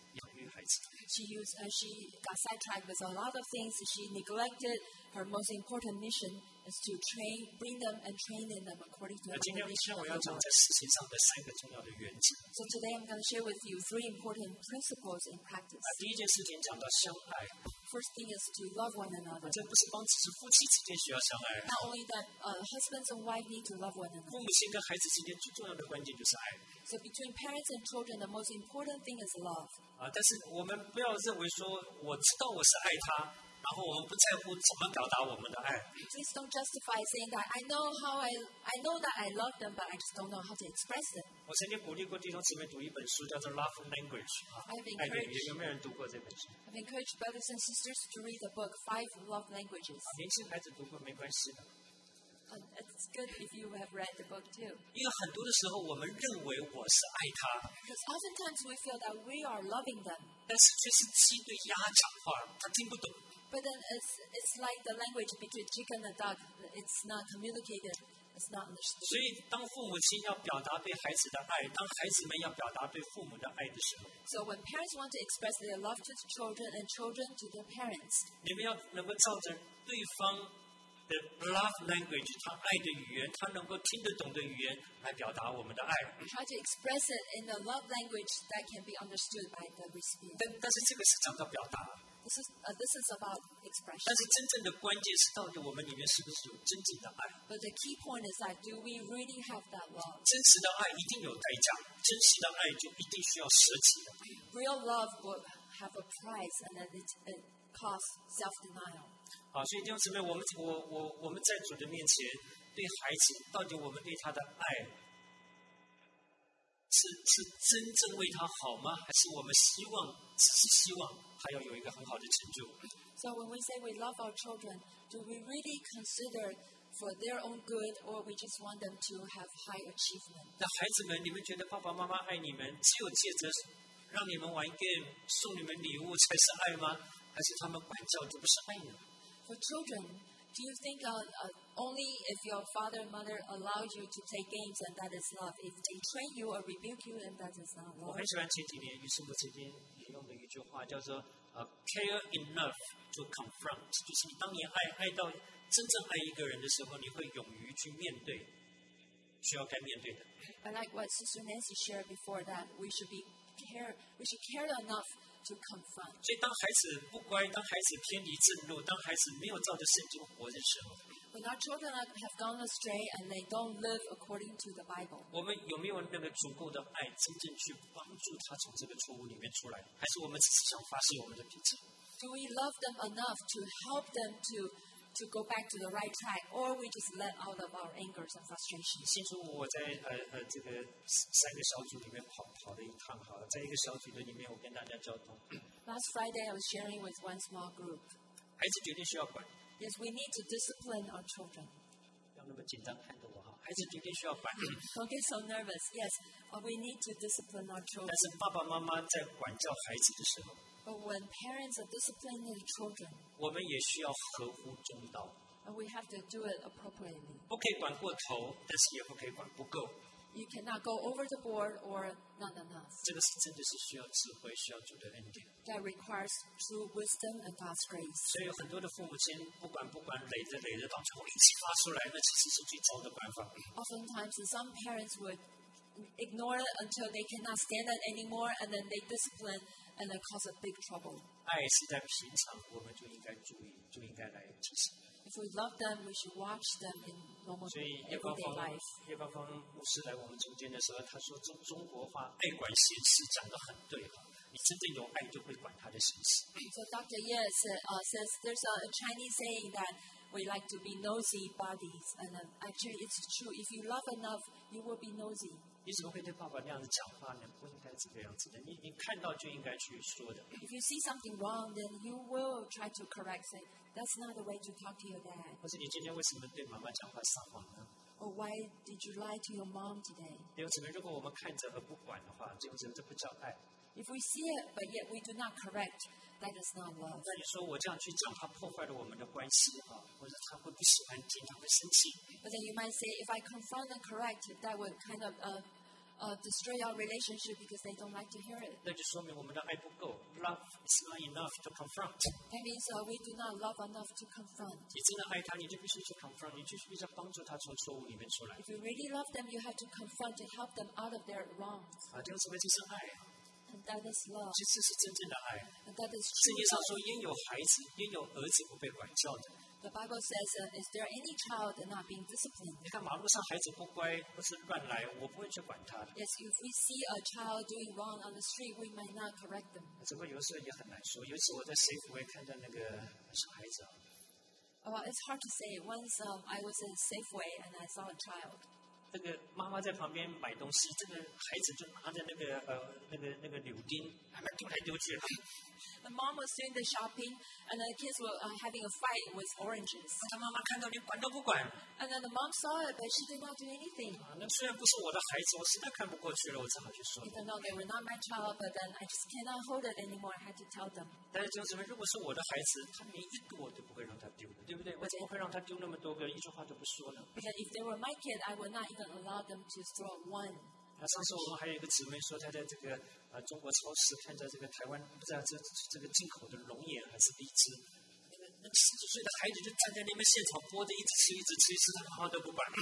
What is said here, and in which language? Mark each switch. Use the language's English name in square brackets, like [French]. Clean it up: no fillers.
[English] She got sidetracked with a lot of things. She neglected her most important mission is to train, bring them and train them according to the Lord. So today I'm going to share with you three important principles in practice. [Chinese] 第一件事情讲到相爱。 [English] First thing is to love one another. [Chinese] 这不是光只是夫妻之间需要相爱。 [English] Not only that, husbands and wives need to love one another. [Chinese] 父母亲跟孩子之间最重要的关键就是爱。 [English] So between parents and children, the most important thing is love. [Chinese] 但是我们不要认为说我知道我是爱他，然后我们不在乎怎么表达我们的爱。 [English] Please don't justify saying that I know that I love them, but I just don't know how to express it. [Chinese] 我曾经鼓励过弟兄姊妹读一本书，叫做《Love Language》啊，爱的语言。有没有人读过这本书 [English] ？I've encouraged brothers and sisters to read the book Five Love Languages. [Chinese] 年轻孩子读过没关系的。 [English] It's good if you have read the book too. [Chinese] 因为很多的时候，我们认为我是爱他。 [English] Because oftentimes we feel that we are loving them. [Chinese] 但是却是鸡对鸭讲话，他听不懂。 [English] But then it's like the language between chicken and dog. It's not communicated. It's not understood. [Chinese] 所以，当父母亲要表达对孩子的爱，当孩子们要表达对父母的爱的时候 [English] ，So when parents want to express their love to the children and children to their parents, [Chinese] 你们要能够照着对方的 love language， 他爱的语言，他能够听得懂的语言来表达我们的爱。 [English] Try to express it in a love language that can be understood by the recipient. [Chinese] 但是这个是讲到表达。 [English] This is about expression. [Chinese] 但是真正的关键是，到底我们里面是不是有真正的爱 [English] ？But the key point is that do we really have that love? [Chinese] 真实的爱一定有代价，真实的爱就一定需要舍弃的。 [English] Real love will have a price, and then it costs self-denial. [Chinese] 好，所以弟兄姊妹，我们在主的面前对孩子，到底我们对他的爱是真正为他好吗？还是我们希望只是希望？还要有一个很好的成就。 [English] So when we say we love our children, do we really consider for their own good, or we just want them to have high achievement? [Chinese] 那孩子们，你们觉得爸爸妈妈爱你们，只有借着让你们玩 game、送你们礼物才是爱吗？还是他们管教就不是爱呢 [English] ？For children, Do you think only if your father and mother allow you to play games and that is love? If they train you or rebuke you, then that is not love. [Chinese] 我很喜欢前几年于师母曾经引用的一句话，叫做 [English] care enough to confront， [Chinese] 就是你当你爱到真正爱一个人的时候，你会勇于去面对需要该面对的。 [English] I like what Sister Nancy shared before that we should care enough to confront. [Chinese] 所以当孩子不乖，当孩子偏离正路，当孩子没有照着圣经活的时候 [English] ，When our children have gone astray and they don't live according to the Bible， [Chinese] 我们有没有那个足够的爱，真正去帮助他从这个错误里面出来？还是我们只是想发泄我们的脾气 [English] ？Do we love them enough to help them to go back to the right track, or we just let out of our angers and frustration? [Chinese] 新竹我在这个三个小组里面跑了一趟，好了，在一个小组的里面，我跟大家交通。 [English] Last Friday, I was sharing with one small group. [Chinese] 孩子绝对需要管。 [English] Yes, we need to discipline our children. [Chinese] 不要那么紧张看着我哈，孩子绝对需要管。 [English] Don't get so nervous. Yes, but we need to discipline our children. [Chinese] 但是爸爸妈妈在管教孩子的时候。 [English] But when parents are disciplining children, [Chinese] 我们也需要合乎中道。 [English] And we have to do it appropriately. [Chinese] 不可以管过头，但是也不可以管不够。 [English] You cannot go over the board or not enough. [Chinese] 这个是真的是需要智慧，需要主的恩典。 [English] That requires true wisdom and God's grace. [Chinese] 所以很多的父母亲不管累着累着，当错脾气发出来，那其实是最糟的办法。 [English] Oftentimes, some parents would ignore it until they cannot stand it anymore, and then they discipline. And it causes a big trouble. [Chinese] 爱是在平常，我们就应该注意，就应该来执行。 [English] If we love them, we should watch them in normal everyday life. [Chinese] 叶邦峰牧师来我们中间的时候，他说中国话“爱管闲事”讲得很对哈。你真正有爱，就会管他的闲事。 [English] So Dr. Ye says there's a Chinese saying that we like to be nosy buddies, and actually it's true. If you love enough, you will be nosy. [Chinese] 你怎么会对爸爸那样子讲话呢？不应该这个样子的。你看到就应该去说的。 [English] If you see something wrong, then you will try to correct it. That's not the way to talk to your dad. [Chinese] 或是你今天为什么对妈妈讲话撒谎呢 [English] ？Or why did you lie to your mom today? [Chinese] 弟兄姊妹，如果我们看着而不管的话，这不叫爱。 [English] If we see it, but yet we do not correct, that is not love. [Chinese] 那你说我这样去讲话破坏了我们的关系啊？或者他会不喜欢听，他会生气 [English] ？But then you might say, if I confront and correct, that would kind of destroy our relationship because they don't like to hear it. [Chinese] 那就说明我们的爱不够 ， [English] love is not enough to confront. That means we do not love enough to confront. [Chinese] 你真的爱他，你就必须去 confront， 你就必须帮助他从错误里面出来。 [English] If you really love them, you have to confront to help them out of their wrongs. [Chinese] 啊，这个是不是就是爱 [English] ？And that is love. [Chinese] 其实是真正的爱。 [English] And that is true. [Chinese] 圣经上说，焉有孩子，焉有儿子不被管教的？ [English] The Bible says, "Is there any child not being disciplined?" [Chinese] 你看马路上孩子不乖，或是乱来，我不会去管他的。 [English] Yes, if we see a child doing wrong on the street, we might not correct them. [Chinese] 只不过有时候也很难说。有一次我在 Safeway 看到那个小孩子。 [English] It's hard to say. Once I was in Safeway and I saw a child. [Chinese] 这个妈妈在旁边买东西，这个孩子就拿着那个柳丁，还蛮丢来丢去的。 [English] The mom was doing the shopping, and the kids were having a fight with oranges. [Chinese] 他妈妈看到你管都不管。 [English] And then the mom saw it, but she did not do anything. [Chinese] 那虽然不是我的孩子，我实在看不过去了，我只好去说。 [English] Even though they were not my child, but then I just cannot hold it anymore. I had to tell them. [Chinese] 但是就是说，如果是我的孩子，他连一个我都不会让他丢的，对不对？我怎么会让他丢那么多个，一句话都不说呢 [English] ？Because if they were my kid, I would not even allow them to throw one. [Chinese] 那上次我们还有一个姊妹说，她在这个。中国超市看到这个台湾不知道这个进口的龙眼还是荔枝，那个四十岁的孩子就站在那边现场剥着，一直吃一直吃一直吃，他好都不管。